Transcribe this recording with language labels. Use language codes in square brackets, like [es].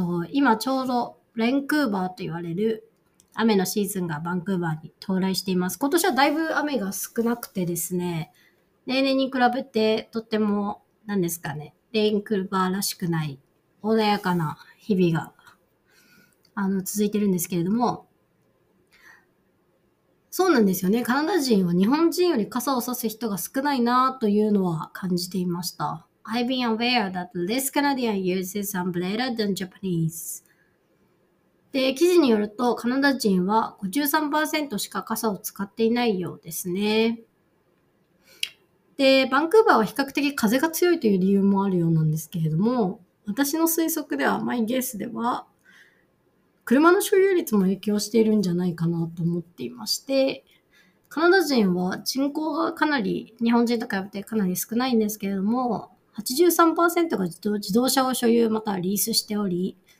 [ja] 今ちょうどレンクーバーと言われる雨のシーズンがバンクーバーに到来しています。今年はだいぶ雨が少なくてですね、例年に比べてとっても、何ですかね、レインクーバーらしくない穏やかな日々が続いてるんですけれども、そうなんですよね。カナダ人は日本人より傘を差す人が少ないなというのは感じていました。 [en] I've been aware that less Canadian uses umbrella than Japanese。 [ja] で、記事によるとカナダ人は53%しか傘を使っていないようですね。で、バンクーバーは比較的風が強いという理由もあるようなんですけれども、私の推測では、マイゲースでは、車の所有率も影響しているんじゃないかなと思っていまして、カナダ人は人口がかなり、日本人と比べてかなり少ないんですけれども、83%が自動車を所有またはリースしており、